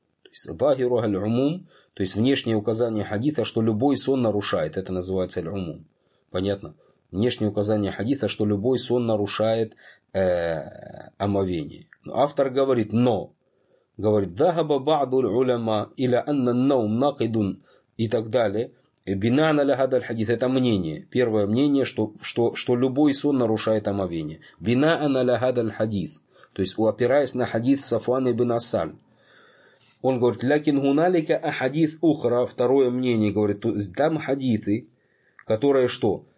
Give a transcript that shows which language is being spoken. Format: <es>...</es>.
<ru>То есть ظاهر аль-умум, то есть внешнее указание хадиса, что любой сон нарушает, это называется аль-умум. Понятно? Внешнее указание хадиса, что любой сон нарушает омовение. Автор говорит, но, говорит,</ru> <ar>ذهب بعض العلماء إلى أن النوم ناقض</ar> <ru>и так далее.</ru> <ar>بناءً على هذا الحديث,</ar> <ru>это мнение. Первое мнение, что любой сон нарушает омовение.</ru> <ar>بناءً على هذا الحديث,</ar> <ru>то есть опираясь на хадис Сафуан ибн Ассаль. Он говорит,</ru> <ar>لكن هنالك أحاديث أخرى,</ar> <ru>второе мнение, говорит, там хадисы, которые что?</ru>